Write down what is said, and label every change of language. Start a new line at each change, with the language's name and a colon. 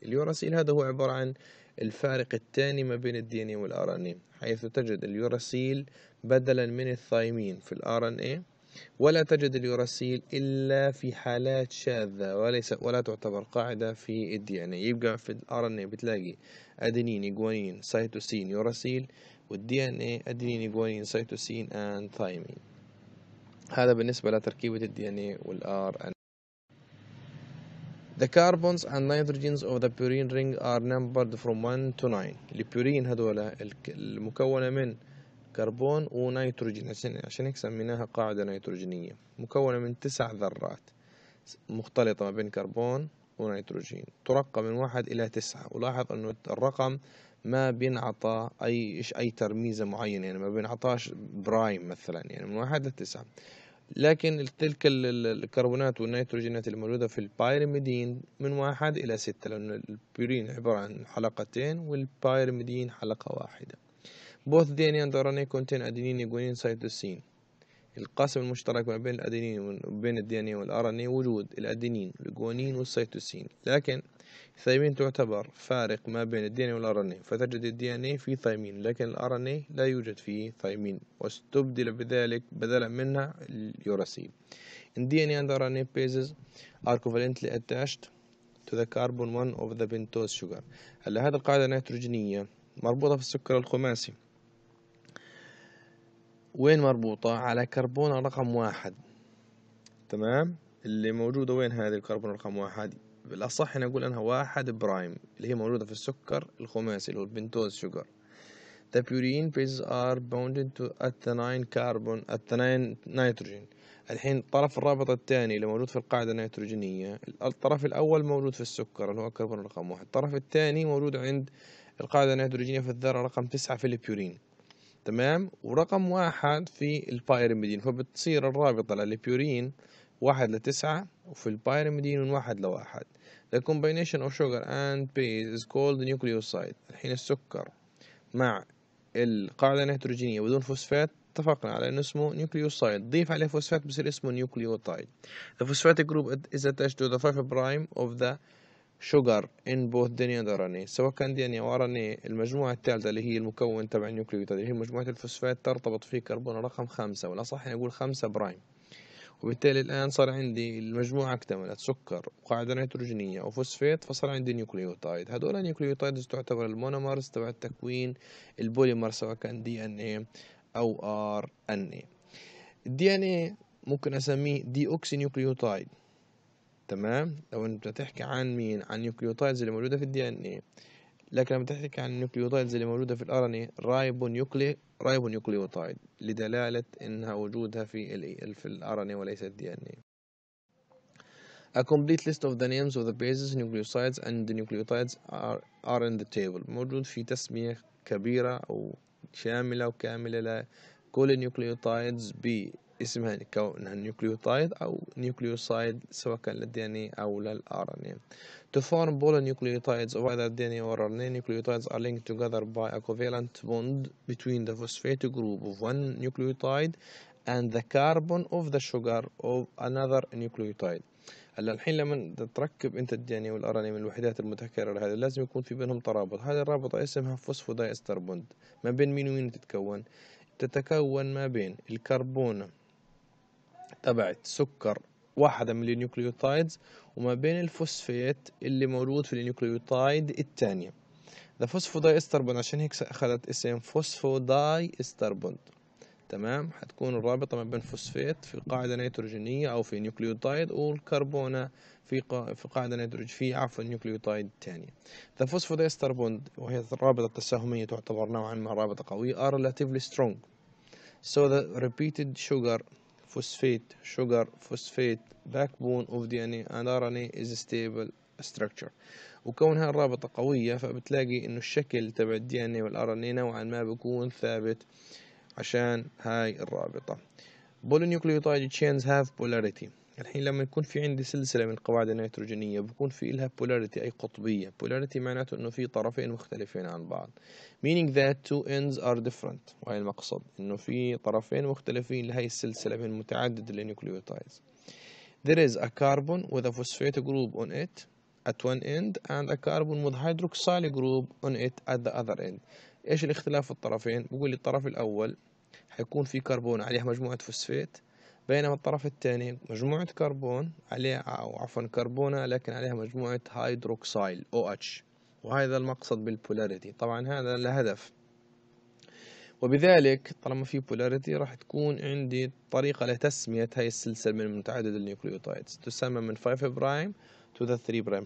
Arabic: اليوراسيل هذا هو عبارة عن الفارق الثاني ما بين الـ DNA والـ RNA، حيث تجد اليوراسيل بدلا من الثايمين في الـ RNA، ولا تجد اليوراسيل إلا في حالات شاذة وليس ولا تعتبر قاعدة في الـ DNA. يبقى في الـ RNA بتلاقي أدينين إجوانين سايتوسين يوراسيل، والـ DNA أدينين إجوانين سايتوسين and ثايمين. هذا بالنسبة لتركيبة الـ DNA والـ RNA.
English: The carbons and nitrogens of the purine ring are numbered from 1 to 9.
Arabic: البيورين هذولا المكونة من كربون ونيتروجين، عشان هيك سميناها قاعدة نيتروجينية، مكونة من 9 ذرات مختلطة ما بين كربون ونيتروجين، ترقم من 1 إلى 9. ولاحظ أنه الرقم ما بينعطى أي ترميزة معينة، يعني ما بينعطاش برايم مثلا، يعني من 1 إلى 9. لكن تلك الكربونات والنيتروجينات الموجودة في البايرميدين من 1 إلى 6، لأن البيورين عبارة عن حلقتين والبايرميدين حلقة واحدة.
English: Both DNA and RNA contain adenine, guanine, cytosine.
Arabic: القاسم المشترك ما بين الأدينين وبين الـ DNA والـ RNA وجود الأدينين والجوانين والسيتوسين، لكن الثايمين تعتبر فارق ما بين الـ DNA والـ RNA، فتجد الـ DNA في ثايمين لكن الـ RNA لا يوجد فيه ثايمين، واستبدل بذلك بدلا منها اليوراسيل.
English: In DNA and RNA bases are covalently attached to the carbon one of the pentose sugar.
Arabic: هلا هذه القاعدة النيتروجينية مربوطة في السكر الخماسي، وين مربوطة؟ على كربون رقم 1، تمام؟ اللي موجودة وين هذه الكربون رقم 1؟ بالأصح نقول أنها 1 برايم، اللي هي موجودة في السكر الخماسي اللي هو البنتوز شوغر.
English: The purine bases are bonded to at the nine nitrogen.
Arabic: الحين طرف الرابط الثاني اللي موجود في القاعدة النيتروجينية، الطرف الأول موجود في السكر اللي هو كربون رقم 1، الطرف الثاني موجود عند القاعدة النيتروجينية في الذرة رقم 9 في البيورين، تمام، ورقم 1 في البايرمدين. فبتصير الرابطة للبيورين 1:9 وفي البايرمدين 1:1.
English: The combination of sugar and base is called the nucleoside.
Arabic: الحين السكر مع القاعدة النيتروجينية بدون فوسفات اتفقنا على انه اسمه نيوكليوسايد، ضيف عليه فوسفات بصير اسمه نيوكليوتايد.
English: The phosphatic group is attached to the 5 prime of the sugar in both DNA and RNA.
Arabic: سواء كان DNA أو RNA، المجموعة الثالثة اللي هي المكون تبع النيوكليوتايد اللي هي مجموعة الفوسفات ترتبط في كربون رقم 5، ولا صح نقول 5 برايم. وبالتالي الآن صار عندي المجموعة اكتملت، سكر وقاعدة نيتروجينية وفوسفات، فصار عندي نيوكليوتايد. هذول النيوكليوتايد تعتبر المونومرز تبع تكوين البوليمر سواء كان DNA أو RNA. DNA ممكن أسميه ديوكسينيوكليوتايد، تمام، لو أنت بتحكي عن مين، عن النيوكليوتايد اللي موجودة في DNA. لكن لما تحكي عن النيوكليوتايد اللي موجودة في RNA، رايبونيوكليوتايد، لدلالة إنها وجودها في RNA وليس DNA.
English: A complete list of the names of the bases, nucleosides and the nucleotides are in the table.
Arabic: موجود في تسمية كبيرة أو شاملة وكاملة لكل النيوكليوتايدز باسمها كونها نيوكليوتايد أو نيوكليوسايد سواء كان للDNA أو للRNA.
English: To form polynucleotides of either DNA or RNA, nucleotides are linked together by a covalent bond between the phosphate group of one nucleotide and the carbon of the sugar of another nucleotide.
Arabic: هلا الحين لما تركب انت الدي ان اي والار ان اي من الوحدات المتكرره هذه لازم يكون في بينهم ترابط. هذه الرابطه اسمها فوسفودايستر بوند. ما بين مين ومين تتكون؟ تتكون ما بين الكربون تبعت سكر واحده من النيوكليوتايدز وما بين الفوسفيت اللي موجود في النيوكليوتايد الثانيه. ذا فوسفودايستر بوند عشان هيك اخذت اسم فوسفودايستر بوند، تمام. حتكون الرابطة ما بين فوسفيت في قاعدة نيتروجينية أو في نيوكليوتايد والكربونة في قاعدة نيتروجين في عفوا نيوكليوتايد تانية.
English: The phosphodiester bond
Arabic: وهي الرابطة التساهمية تعتبر نوعا ما رابطة قوية
English: are relatively strong. So the repeated sugar phosphate backbone of DNA and RNA is a stable structure.
Arabic: وكونها الرابطة قوية فبتلاقي إنه الشكل تبع DNA والRNA نوعا ما بيكون ثابت عشان هاي الرابطة.
English: Polynucleotide chains have polarity.
Arabic: الحين لما يكون في عندي سلسلة من القواعد النيتروجينية بكون في إلها polarity أي قطبية. Polarity معناته إنه في طرفين مختلفين عن بعض.
English: Meaning that two ends are different.
Arabic: وهي المقصد إنه في طرفين مختلفين لهاي السلسلة من متعدد النيوكليوتايدز.
English: There is a carbon with a phosphate group on it at one end and a carbon with hydroxyl group on it at the other end.
Arabic: ايش الاختلاف في الطرفين؟ بقول لي الطرف الاول حيكون فيه كربون عليه مجموعه فوسفات، بينما الطرف الثاني مجموعه كربون عليه او عفوا كربونه لكن عليها مجموعه هيدروكسيل او اتش. وهذا المقصد بالبولاريتي. طبعا هذا لهدف، وبذلك طالما في بولاريتي راح تكون عندي طريقه لتسميه هاي السلسله من متعدد النيوكليوتايدز تسمى من 5 برايم
English: to the
Arabic: 3 برايم.